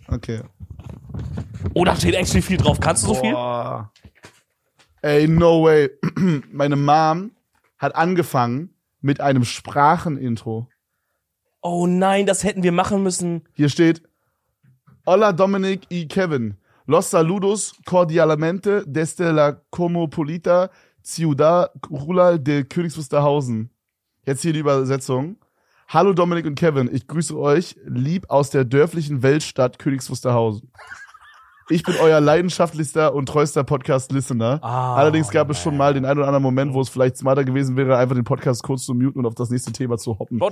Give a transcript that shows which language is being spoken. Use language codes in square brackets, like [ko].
[en] Okay. [de] Oh, da steht [en] actually [de] viel drauf. Kannst du so viel? [en] Ey, no way. [de] Meine Mom hat angefangen mit einem Sprachenintro. Oh nein, das hätten wir machen müssen. Hier steht: [es] Hola Dominic y Kevin. Los saludos cordialmente desde la Comopolita Ciudad Rural de Königs Wusterhausen. [de] Jetzt hier die Übersetzung. Hallo Dominic und Kevin, ich grüße euch lieb aus der dörflichen Weltstadt Königs Wusterhausen. Ich bin euer leidenschaftlichster und treuester Podcast-Listener. Oh, allerdings gab es schon mal den ein oder anderen Moment, wo es vielleicht smarter gewesen wäre, einfach den Podcast kurz zu muten und auf das nächste Thema zu hoppen.